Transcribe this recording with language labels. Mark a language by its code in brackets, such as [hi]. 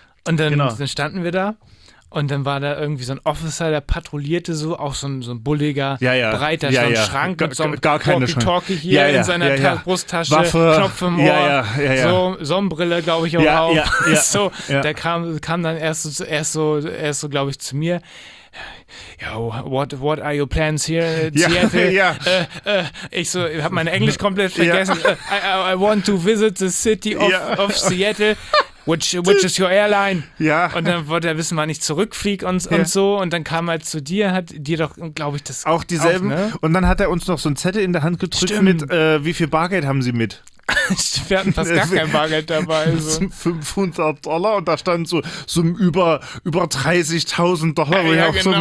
[de] Und dann standen wir da und dann war da irgendwie so ein Officer, der patrouillierte so, auch so ein bulliger, breiter Schrank mit so einem Walkie-Talkie hier in seiner Brusttasche, Waffe, Knopf im Ohr, so Sonnenbrille, glaube ich, auch auf. Der kam dann erst so, glaube ich, zu mir. [en] Yo, what are your plans here in Seattle? [de] Ich so, ich habe mein Englisch komplett vergessen. [en] I want to visit the city of Seattle. Which is your airline? [de] Ja. Und dann wollte er wissen, wann ich zurückfliege und so. Und dann kam er zu dir, hat dir doch, glaube ich, das... Auch dieselben. Auch, ne? Und dann hat er uns noch so einen Zettel in der Hand gedrückt mit, wie viel Bargeld haben Sie mit? Wir hatten fast gar kein Bargeld dabei. So. $500 und da stand so über 30.000 Dollar, wo ich auch